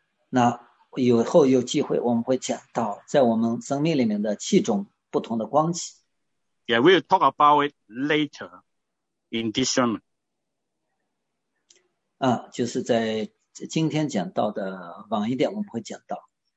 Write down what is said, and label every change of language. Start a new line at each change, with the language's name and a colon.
Chinese: 那以后有机会我们会讲到在我们生命里面的七种不同的关系。
English: Yeah, we'll talk about it later in this sermon.
Chinese: 就是在今天讲到的晚一点我们会讲到。